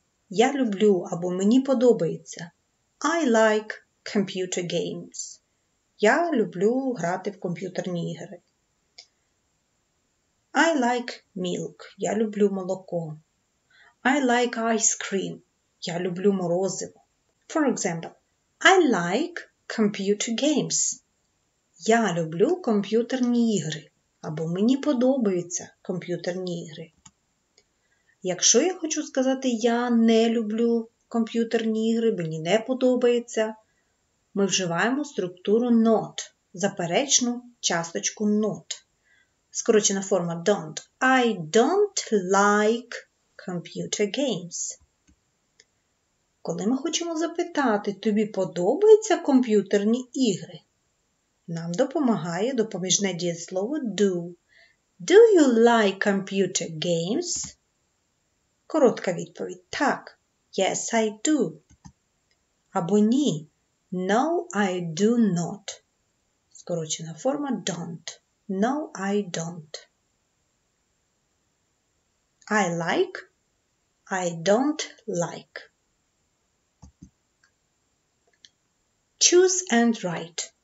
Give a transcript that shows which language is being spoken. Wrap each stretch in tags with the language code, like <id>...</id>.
<uk>Я люблю або мені подобається.</uk> <en>I like computer games.</en> <uk>Я люблю грати в комп'ютерні ігри.</uk> <en>I like milk.</en> <uk>Я люблю молоко.</uk> <en>I like ice cream.</en> <uk>Я люблю морозиво.</uk> <en>For example, I like computer games.</en> <uk>Я люблю комп'ютерні ігри. Або мені подобаються комп'ютерні ігри. Якщо я хочу сказати «я не люблю комп'ютерні ігри», «мені не подобається», ми вживаємо структуру «not», заперечну часточку «not». Скорочена форма «don't».</uk> <en>I don't like computer games.</en> <uk>Коли ми хочемо запитати «тобі подобаються комп'ютерні ігри?», нам допомагає допоміжне дієслово «do».</uk> <en>Do you like computer games?</en> <uk>Коротка відповідь – так,</uk> <en>yes, I do. Або ні, no, I do not.</en> <uk>Скорочена форма – don't.</uk> <en>No, I don't. I like, I don't like. Choose and write.</en>